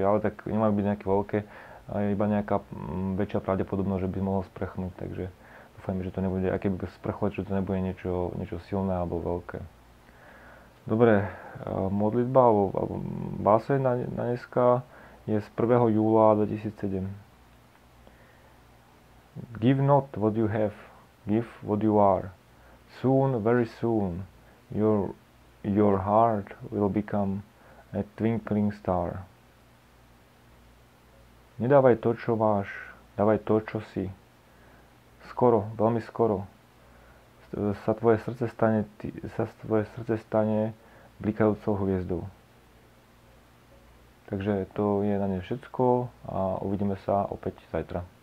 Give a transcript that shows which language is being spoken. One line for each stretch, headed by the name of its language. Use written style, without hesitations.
Slovak: Ale tak nemajú byť nejaké veľké, iba nejaká väčšia pravdepodobnosť, že by mohol sprchnúť. Takže dúfam, že to nebude, aké by sprchlo, že to nebude niečo silné alebo veľké. Dobre, modlitba alebo báseň na dneska. Je z 1. júla 2007.
English: Give not what you have, give what you are. Soon, very soon, your heart will become a twinkling star.
Slovak: Nedávaj to, čo máš, dávaj to, čo si. Skoro, veľmi skoro sa tvoje srdce stane blikajúcou hviezdou. Takže to je na dnes všetko a uvidíme sa opäť zajtra.